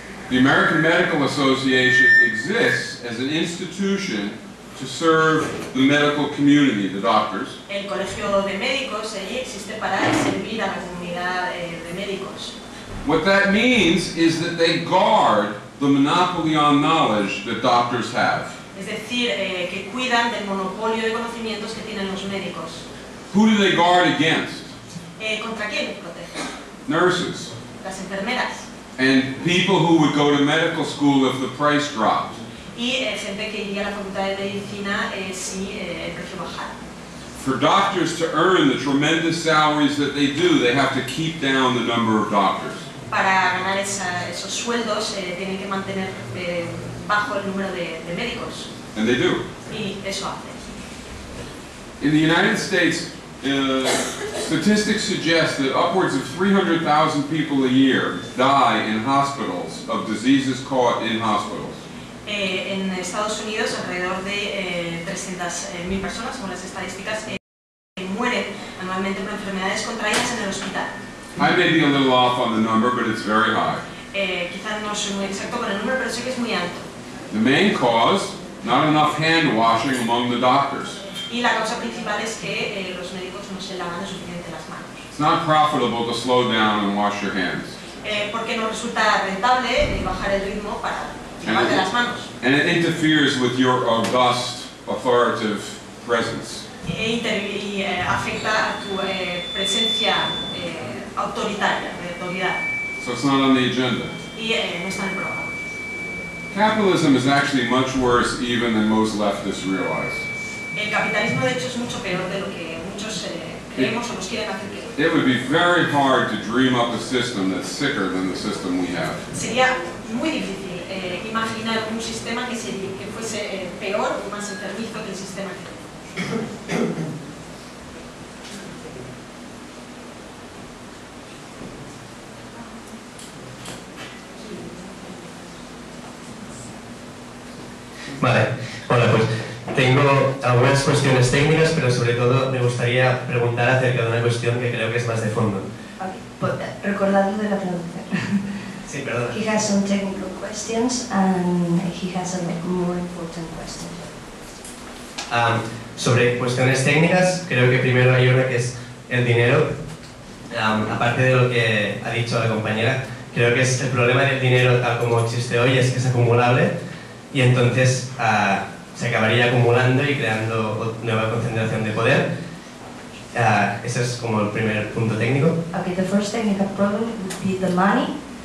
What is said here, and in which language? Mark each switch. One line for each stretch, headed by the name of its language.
English: The American Medical Association exists as an institution to serve the medical community, the doctors.
Spanish: El Colegio de Médicos existe para servir a la comunidad de médicos.
English: What that means is that they guard the monopoly on knowledge that doctors have.
Spanish: Es decir, que cuidan del monopolio de conocimientos que tienen los médicos.
English: Who do they guard against?
Spanish: ¿Contra quién protegen?
English: Nurses.
Spanish: Las enfermeras.
English: And people who would go to medical school if the price dropped.
Spanish: Y gente que iría a la facultad de medicina si el precio bajara.
English: For doctors to earn the tremendous salaries that they do, they have to keep down the number of doctors.
Spanish: Para ganar esos sueldos tienen que mantener bajo el número de médicos.
English: And they do.
Spanish: Y eso hace.
English: In the United States, statistics suggest that upwards of 300,000 people a year die in hospitals of diseases caught in hospitals.
Spanish: En Estados Unidos, alrededor de 300,000 personas, según las estadísticas, mueren anualmente por enfermedades contraídas en el hospital.
English: I may be a little off on the number, but it's very high.
Spanish: Quizás no soy muy exacto con el número, pero sé que es muy alto.
English: The main cause, not enough hand washing among the doctors.
Spanish: Y la causa principal es que los médicos no se lavan suficiente las manos.
English: It's not profitable to slow down and wash your hands.
Spanish: Porque no resulta rentable bajar el ritmo para lavarse las manos.
English: And it interferes with your august, authoritative presence.
Spanish: Afecta a tu presencia autoritaria.
English: So it's not on the agenda.
Spanish: Y no está en el programa.
English: Capitalism is actually much worse even than most leftists realize.
Spanish: El capitalismo, de hecho, es mucho peor de lo que muchos creemos o nos quieren hacer creer.
English: It would be very hard to dream up a system that's sicker than the system we have.
Spanish: Sería muy difícil imaginar un sistema que fuese peor o más enfermizo que el sistema que tenemos. Vale, hola, pues tengo algunas cuestiones técnicas, pero sobre todo me gustaría preguntar acerca de una cuestión que creo que es más de fondo. Okay. Recordando de la pregunta. Sí, perdón.
English: He has some technical questions and he has a more important question.
Spanish: Sobre cuestiones técnicas, creo que primero hay una que es el dinero. Aparte de lo que ha dicho la compañera, creo que es el problema del dinero tal como existe hoy es que es acumulable. Y entonces se acabaría acumulando y creando nueva concentración de poder. Ese es como el primer punto técnico.
English: Okay, the first technical problem would be the money.